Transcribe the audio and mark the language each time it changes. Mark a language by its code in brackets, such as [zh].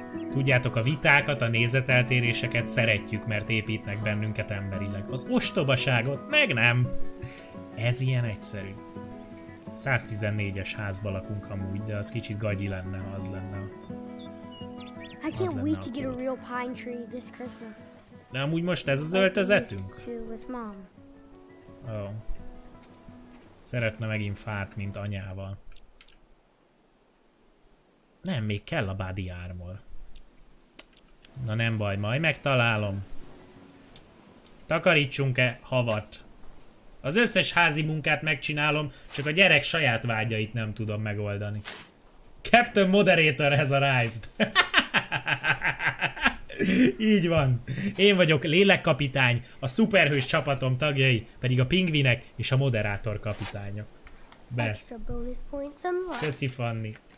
[hu] Tudjátok, a vitákat, a nézeteltéréseket szeretjük, mert építnek bennünket emberileg. Az ostobaságot meg nem. Ez ilyen egyszerű. 114-es házba lakunk amúgy, de az kicsit gagyi lenne, ha az lenne. [en] I can't wait to get a real pine tree this Christmas. [hu] De amúgy most ez az öltözetünk? Ó. Szeretne megint fát, mint anyával. Nem, még kell a body armor. Na nem baj, majd megtalálom. Takarítsunk-e havat? Az összes házi munkát megcsinálom, csak a gyerek saját vágyait nem tudom megoldani. [en] Captain Moderator has arrived. [hu] Így van. Én vagyok lélekkapitány, a szuperhős csapatom tagjai, pedig a pingvinek és a moderátor kapitányok. Best. Köszi, Fanny.